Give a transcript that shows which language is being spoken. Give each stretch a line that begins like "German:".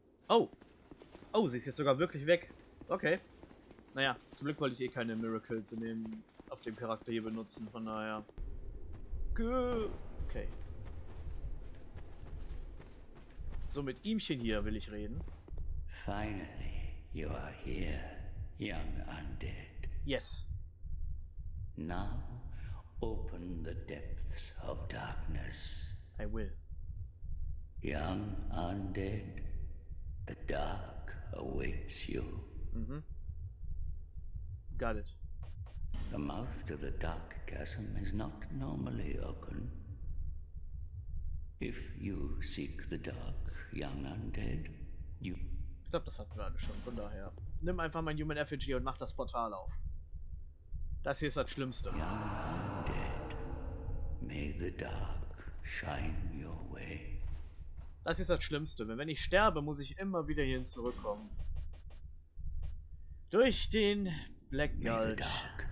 German: Oh. Oh, sie ist jetzt sogar wirklich weg. Okay. Naja, zum Glück wollte ich eh keine Miracles in dem, auf dem Charakter hier benutzen. Von daher. Okay. So, mit ihmchen hier will ich reden.
English: Finally, you are here, young undead. Yes. Now, open the depths of darkness. I will. Young undead, the dark awaits you. Mm-hmm. Got it. The mouth to the dark chasm is not normally open. If you seek the dark, young undead, you...
German: Ich glaube, das hatten wir alle schon, von daher. Nimm einfach mein Human Effigy und mach das Portal auf. Das hier ist das Schlimmste.
English: Young undead, may the dark shine your way.
German: Das ist das Schlimmste, wenn ich sterbe, muss ich immer wieder hierhin zurückkommen. Durch den Black Gulch.